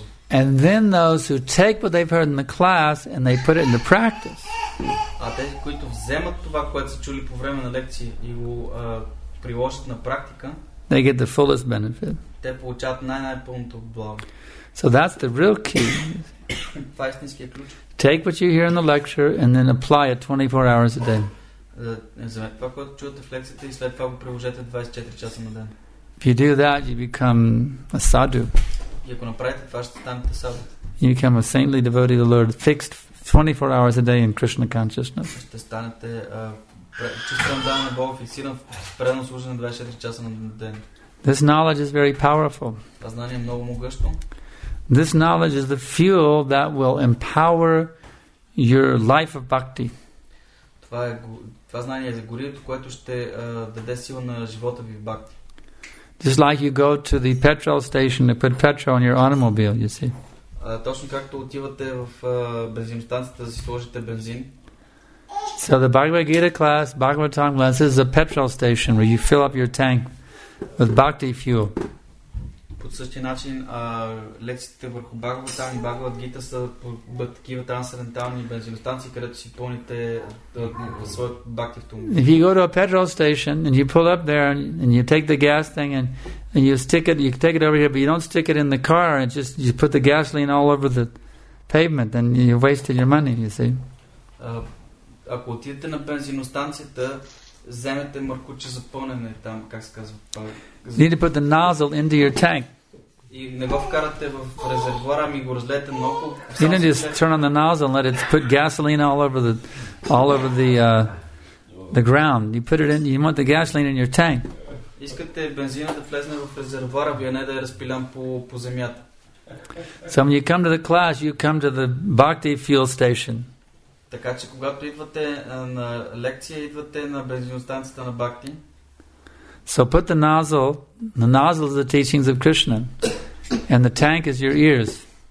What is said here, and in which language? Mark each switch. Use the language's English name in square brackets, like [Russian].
[English] And then those who take what they've heard in the class and they put it into practice. [Bulgarian] А тези, които вземат това, което са чули по време на лекция и го приложат на практика, [English] they get the fullest benefit. [Bulgarian] Те получават най-пълното благо. [English] So that's the real key. [Bulgarian] Това е истинския ключ. [English] Take what you hear in the lecture and then apply it 24 hours a day. [Bulgarian] Вземете това, което чувате в лекцията и след това го приложете 24 часа на ден. [English] If you do that, you become a sadhu. [Bulgarian] И ако направите това, ще станете sadhu. [English] You become a saintly devotee of the Lord, fixed 24 hours a day in Krishna consciousness. [Bulgarian] Ще станете чувствам да на Бог фиксиран в предно служене 24 часа на ден. [English] This knowledge is very powerful. [Bulgarian] Това знание е много могъщо. [English] This knowledge is the fuel that will empower your life of bhakti. [Bulgarian] Това знание е за горивото, което ще даде сила на живота ви в бхакти. [English] Just like you go to the petrol station to put petrol in your automobile, you see. [Bulgarian] Точно както отивате в бензиностанцията да си сложите бензин. [English] So the Bhagavad Gita class, Bhagavatam class, this is a petrol station where you fill up your tank with bhakti fuel. [Bulgarian] под същия начин лекциите върху Бхагаватам и Бхагават Гита са по такива трансцендентални бензиностанции, където си пълните своят бхакти автомобил. [English] If you go to a petrol station and you pull up there and you take the gas thing and you stick it, you take it over here, but you don't stick it in the car and just you put the gasoline all over the pavement, then you wasted your money, you see. [Bulgarian] Ако отидете на бензиностанцията, вземете маркуче за пълнене там, как се казва. [English] You need to put the nozzle into your tank. [Bulgarian] И не го вкарате в резервуара, ми го разлете много. [English] You need to just turn on the nozzle and let it put gasoline all over the ground. You put it in, you want the gasoline in your tank. [Bulgarian] Искате бензина да влезне в резервуара, а не да е разпилян по земята. [English] So when you come to the class, you come to the bhakti fuel station. [Bulgarian] Така че когато идвате на лекция, идвате на бензиностанцията на бхакти. [English] So put the nozzle is the teachings of Krishna and the tank is your ears.